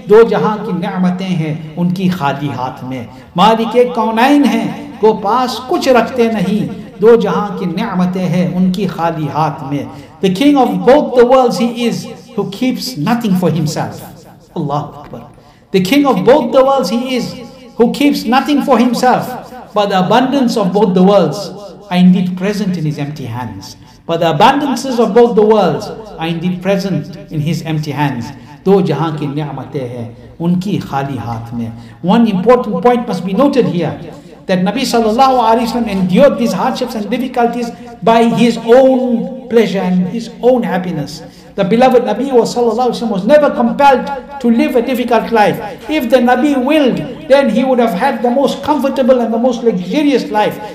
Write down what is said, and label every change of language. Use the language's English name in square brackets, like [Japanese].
[Urdu] دو جہاں کی نعمتیں ہیں ان کی خالی ہاتھ میں مالک کونین ہیں کو پاس کچھ رکھتے نہیں دو جہاں کی نعمتیں ہیں ان کی خالی ہاتھ میں [English] The king of both the worlds he is who keeps nothing for himself. [Arabic] Allah Akbar. [English] The king of both the worlds he is who keeps nothing for himself, but the abundance of both the worlds are indeed present in his empty hands. But the abundances of both the worlds are indeed present in his empty hands. [Urdu] دو جہاں کی نعمتیں ہیں ان کی خالی ہاتھ میں. [English] One important point must be noted here that Nabi sallallahu alayhi wa sallam endured these hardships and difficulties by his own pleasure and his own happiness. The beloved Nabi sallallahu alayhi wa sallam was never compelled to live a difficult life. If the Nabi willed, then he would have had the most comfortable and the most luxurious life.